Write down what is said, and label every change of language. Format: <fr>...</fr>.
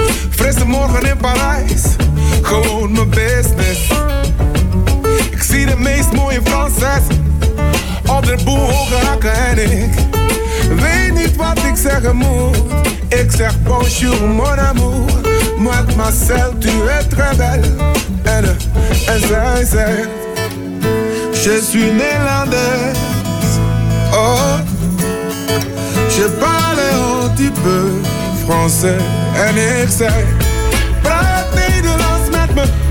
<nl>Frisse morgen in Parijs, gewoon mijn business. De meest mooie Franses, op de boel hoge hakken en ik weet niet wat ik zeggen moet. Ik zeg</nl> <fr>bonjour mon amour, mademoiselle tu es très belle.</fr> <nl>En zij zegt,</nl> <fr>je suis Nederlandaise. Oh, je parle un petit peu français.</fr> <nl>En ik zeg, praat Nederlands met me.</nl>